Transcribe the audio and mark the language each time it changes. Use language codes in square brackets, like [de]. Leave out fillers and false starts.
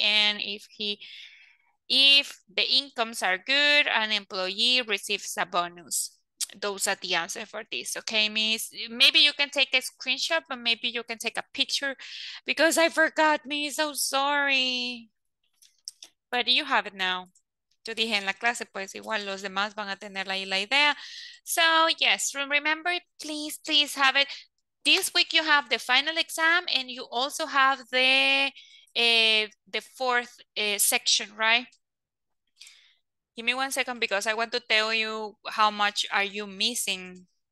[en] And if the incomes are good, an employee receives a bonus. Those are the answers for this. Okay, Miss. Maybe you can take a screenshot, but maybe you can take a picture because I forgot, Miss. I'm sorry. But you have it now. [es] Yo dije en la clase, pues igual los demás van a tener ahí la idea. [en] So, yes, remember, please, please have it. This week you have the final exam and you also have the fourth section, right? Give me 1 second because I want to tell you how much are you missing.